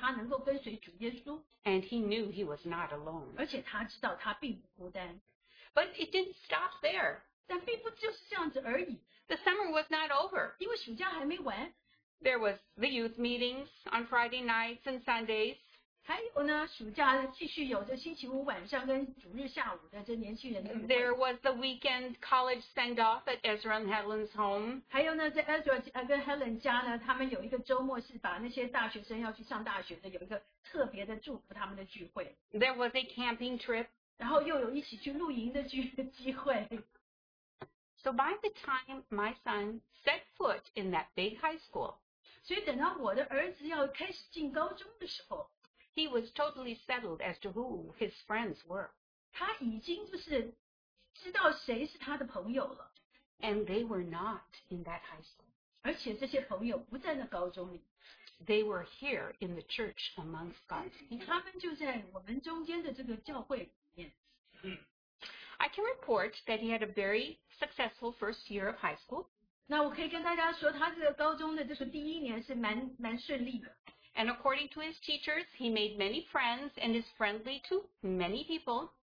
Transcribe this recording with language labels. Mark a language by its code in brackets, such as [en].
[zh] 他从这特会回来,他就非常的兴奋,是因为他能够跟随主耶稣。 [en] And he knew he was not alone. [zh] 而且他知道他并不孤单。 [en] But it didn't stop there. [zh] 但并不就是这样子而已. [en] The summer was not over. [zh] 因为暑假还没完. [en] There was the youth meetings on Friday nights and Sundays. [zh] 还有呢,暑假继续有着星期五晚上跟主日下午的这年轻人的舞会. [en] There was the weekend college send-off at Ezra and Helen's home. [zh] 还有呢,在Ezra跟Helen家呢,他们有一个周末是把那些大学生要去上大学的,有一个特别的祝福他们的聚会. [en] There was a camping trip. [zh] 然后又有一起去露营的机会. [en] So by the time my son set foot in that big high school, [zh] 所以等到我的儿子要开始进高中的时候, [en] he was totally settled as to who his friends were. [zh] 他已经就是知道谁是他的朋友了. [en] And they were not in that high school. [zh] 而且这些朋友不在那高中里. [en] They were here in the church amongst God's people. [zh] 他们就在我们中间的这个教会里面. [en] I can report that he had a very successful first year of high school. [zh] 那我可以跟大家说,他这个高中的就是第一年是蛮顺利的. [en] And according to his teachers, he made many friends and is friendly to many people.